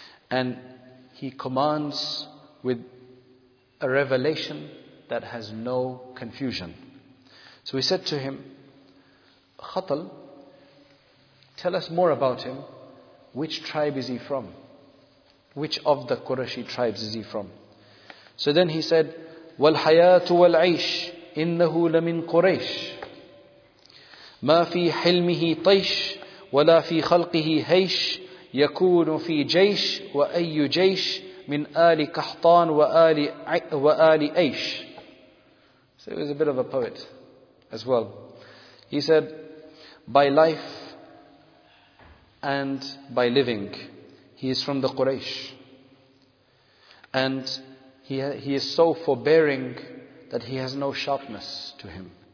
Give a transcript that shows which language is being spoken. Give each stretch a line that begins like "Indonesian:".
English: And he commands with a revelation that has no confusion. So we said to him, Khatal, tell us more about him. Which tribe is he from? Which of the Qurayshi tribes is he from? So then he said,
Arabic: وَالْحَيَاةُ وَالْعَيْشِ إِنَّهُ لَمِنْ قُرَيْشِ مَا فِي حِلْمِهِ طَيْشِ وَلَا فِي خَلْقِهِ هَيْشِ يَكُونُ فِي جَيْشِ وَأَيُّ جَيْشِ مِنْ آلِ كَحْطَانِ وَآلِ أَيْشِ.
English: So he was a bit of a poet as well. He said, by life and by living, he is from the Quraysh. And he is so forbearing that he has no sharpness to him.